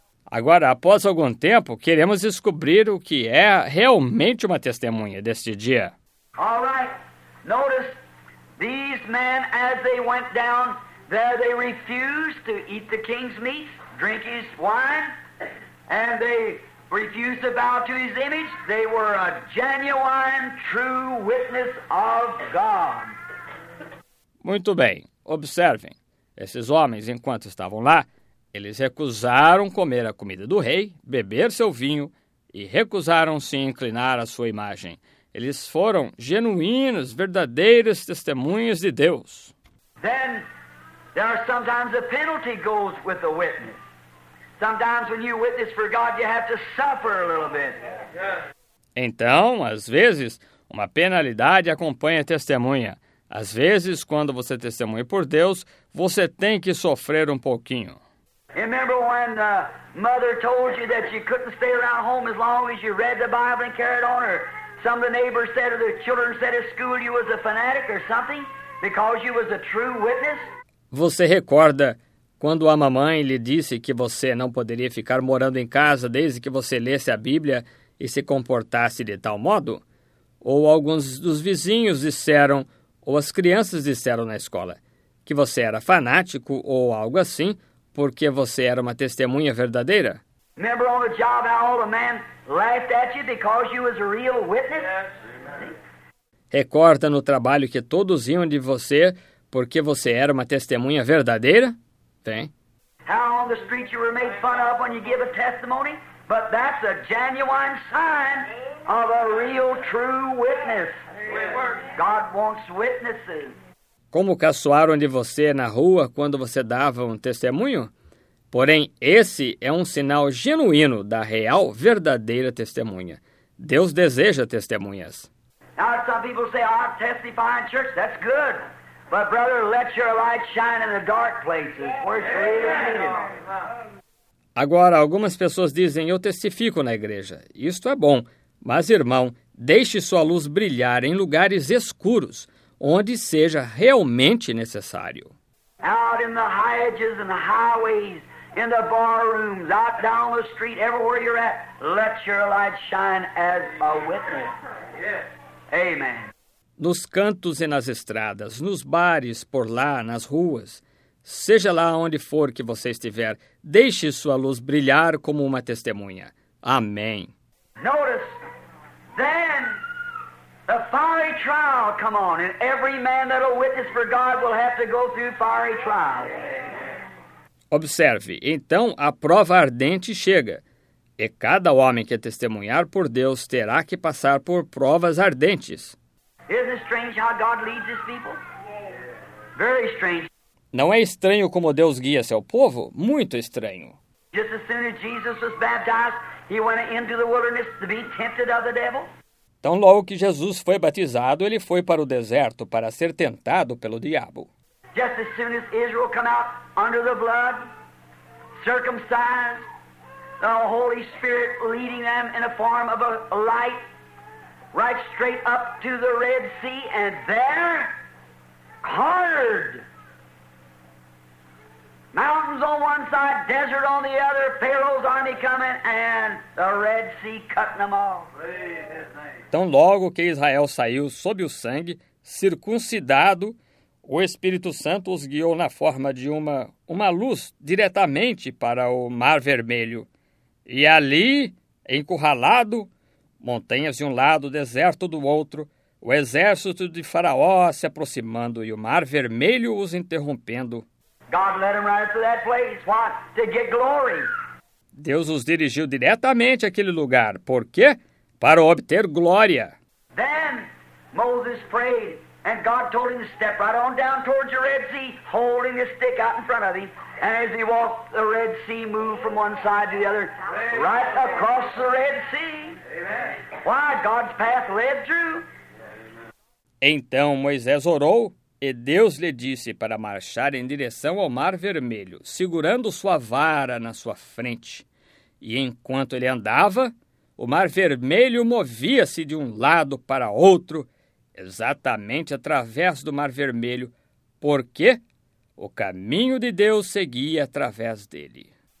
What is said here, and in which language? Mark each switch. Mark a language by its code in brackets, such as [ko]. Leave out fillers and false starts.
[pt] Agora, após algum tempo, queremos descobrir o que é realmente uma testemunha deste dia. [en] All right. Notice these men as they went down there, they refused to eat the king's meat, drink his wine, and they refused to bow to his image. They were a genuine, true witness of God. [pt] Muito bem. Observem. Esses homens, enquanto estavam lá, eles recusaram comer a comida do rei, beber seu vinho e recusaram-se inclinar à sua imagem. Eles foram genuínos, verdadeiros testemunhos de Deus. [en] Then, there are sometimes a penalty goes with the witness. Sometimes when you witness for God, you have to suffer a little bit. [pt] Então, às vezes, uma penalidade acompanha a testemunha. Às vezes, quando você testemunha por Deus, você tem que sofrer um pouquinho. [en] Remember when the mother told you that you couldn't stay around home as long as you read the Bible and carried on, or some of the neighbors said or the children said at school you was a fanatic or something because you was a true witness? [pt] Você recorda quando a mamãe lhe disse que você não poderia ficar morando em casa desde que você lesse a Bíblia e se comportasse de tal modo? Ou alguns dos vizinhos disseram, ou as crianças disseram na escola, que você era fanático ou algo assim, porque você era uma testemunha verdadeira? [en] Remember on the job how all the men laughed at you because you was a real witness? Yes. [pt] Recorda no trabalho que todos riam de você porque você era uma testemunha verdadeira? [en] How on the street you were made fun of when you give a testimony, but that's a genuine sign of a real true witness. God wants witnesses. [pt] Como caçoaram de você na rua quando você dava um testemunho? Porém, esse é um sinal genuíno da real, verdadeira testemunha. Deus deseja testemunhas. [en] Now some people say, "I testify in church." That's good. But brother, let your light shine in the dark places where it's really needed. [pt] Agora, algumas pessoas dizem, "Eu testifico na igreja." Isto é bom, mas irmão, deixe sua luz brilhar em lugares escuros, onde seja realmente necessário. [en] Out in the hedges and the highways, in the bar rooms, out down the street, everywhere you're at, let your light shine as a witness. Amen. [pt] Nos cantos e nas estradas, nos bares, por lá, nas ruas, seja lá onde for que você estiver, deixe sua luz brilhar como uma testemunha. Amém. [en] Notice, then, the fiery trial come on, and every man that'll witness for God will have to go through fiery trial. [pt] Observe, então a prova ardente chega, e cada homem que testemunhar por Deus terá que passar por provas ardentes. [en] Isn't it strange how God leads his people? Very strange. [pt] Não é estranho como Deus guia seu povo? Muito estranho. [en] Just as soon as Jesus was baptized, he went into the wilderness to be tempted of the devil. [pt] Tão logo que Jesus foi batizado, ele foi para o deserto para ser tentado pelo diabo. [en] Just as soon as Israel came out under the blood, circumcised, the Holy Spirit leading them in a form of a light, right straight up to the Red Sea, and there, hard. Mountains on one side, desert on the other, Pharaoh's army coming, and the Red Sea cutting them off. [pt] Tão logo que Israel saiu sob o sangue, circuncidado, o Espírito Santo os guiou na forma de uma luz diretamente para o Mar Vermelho. E ali, encurralado, montanhas de um lado, deserto do outro, o exército de Faraó se aproximando e o Mar Vermelho os interrompendo. [en] God led them right to that place. What? To get glory. [pt] Deus os dirigiu diretamente àquele lugar. Por quê? Para obter glória. [en] Then Moses prayed, and God told him to step right on down towards the Red Sea, holding his stick out in front of him. And as he walked, the Red Sea moved from one side to the other, right across the Red Sea. Why? God's path led through. [pt] Então Moisés orou, e Deus lhe disse para marchar em direção ao Mar Vermelho, segurando sua vara na sua frente. E enquanto ele andava, o Mar Vermelho movia-se de um lado para outro, exatamente através do Mar Vermelho, porque o caminho de Deus seguia através dele.